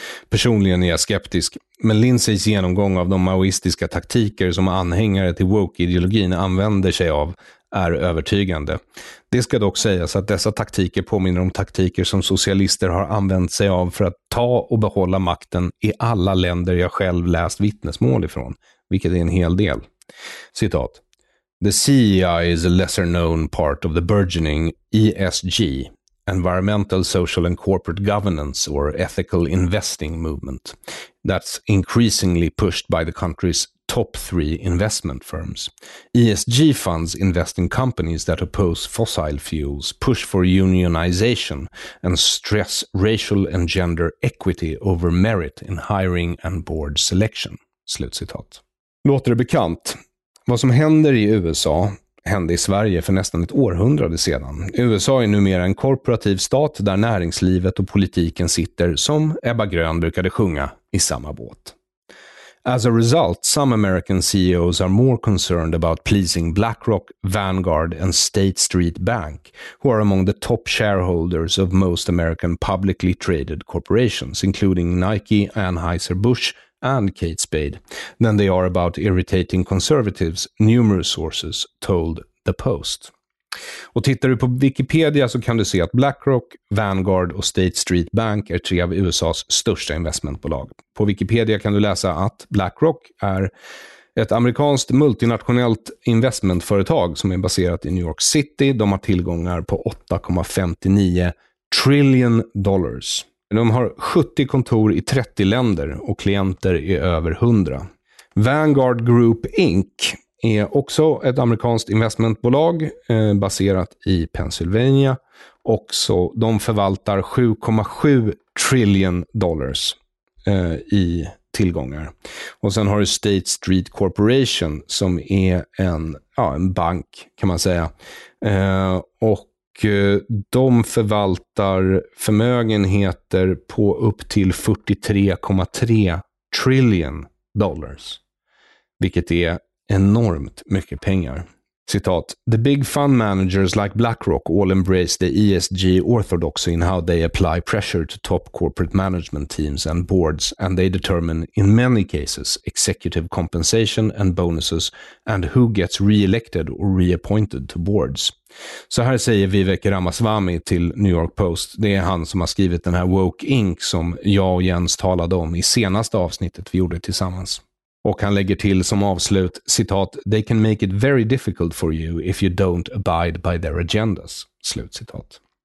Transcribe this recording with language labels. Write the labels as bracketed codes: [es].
[sv] Personligen är jag skeptisk, men Lindsays genomgång av de maoistiska taktiker som anhängare till woke-ideologin använder sig av är övertygande. Det ska dock sägas att dessa taktiker påminner om taktiker som socialister har använt sig av för att ta och behålla makten i alla länder jag själv läst vittnesmål ifrån, vilket är en hel del. Citat. [en] The CEI is a lesser known part of the burgeoning ESG, Environmental, Social and Corporate Governance or Ethical Investing movement, that's increasingly pushed by the country's top three investment firms. ESG funds invest in companies that oppose fossil fuels, push for unionization, and stress racial and gender equity over merit in hiring and board selection. [sv] Slutcitat. Låter det bekant? Vad som händer i USA hände i Sverige för nästan ett århundrade sedan. USA är numera en korporativ stat där näringslivet och politiken sitter, som Ebba Grön brukade sjunga, i samma båt. [en] As a result, some American CEOs are more concerned about pleasing BlackRock, Vanguard and State Street Bank, who are among the top shareholders of most American publicly traded corporations, including Nike, Anheuser-Busch and Kate Spade, than they are about irritating conservatives, numerous sources told The Post. [sv] Och tittar du på Wikipedia så kan du se att BlackRock, Vanguard och State Street Bank är tre av USA:s största investmentbolag. På Wikipedia kan du läsa att BlackRock är ett amerikanskt multinationellt investmentföretag som är baserat i New York City. De har tillgångar på 8,59 trillion dollars. De har 70 kontor i 30 länder och klienter i över 100. Vanguard Group Inc. är också ett amerikanskt investmentbolag baserat i Pennsylvania. Också, de förvaltar 7,7 trillion dollars i tillgångar. Och sen har du State Street Corporation som är en bank kan man säga. Och de förvaltar förmögenheter på upp till 43,3 trillion dollars. Vilket är enormt mycket pengar. [en] Citat, the big fund managers like BlackRock all embrace the ESG orthodoxy in how they apply pressure to top corporate management teams and boards, and they determine in many cases executive compensation and bonuses and who gets re-elected or reappointed to boards. [sv] Så här säger Vivek Ramaswamy till New York Post. Det är han som har skrivit den här Woke Inc. som jag och Jens talade om i senaste avsnittet vi gjorde tillsammans. Och han lägger till som avslut, citat, [en] they can make it very difficult for you if you don't abide by their agendas, [sv] slut citat.